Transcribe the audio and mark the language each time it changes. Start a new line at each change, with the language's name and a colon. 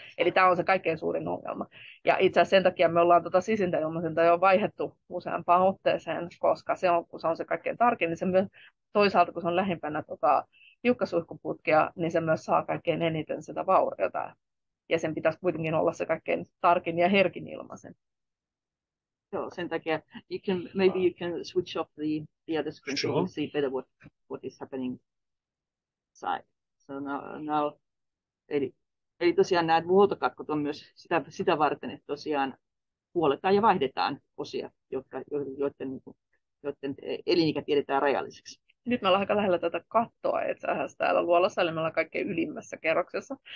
Finnish: Eli tämä on se kaikkein suurin ongelma. Ja itse asiassa sen takia me ollaan tuota sisintä ilmaisinta jo vaihdettu useampaan otteeseen, koska se on, kun se on se kaikkein tarkin, niin se myös toisaalta, kun se on lähimpänä tuota hiukkasuihkuputkea, niin se myös saa kaikkein eniten sitä vauriota. Ja sen pitäisi kuitenkin olla se kaikkein tarkin ja herkin ilmaisin.
English: So,
Finnish: sen takia,
English: you can, maybe you can switch off the other screen so you can see better what is happening inside. So now
Finnish: eli tosiaan nämä huoltokatkot on myös sitä varten, että tosiaan huoletaan ja vaihdetaan osia, joiden elinikä tiedetään rajalliseksi. Nyt me ollaan aika lähellä tätä kattoa itse asiassa täällä luolassa, eli me ollaan kaikkein ylimmässä kerroksessa.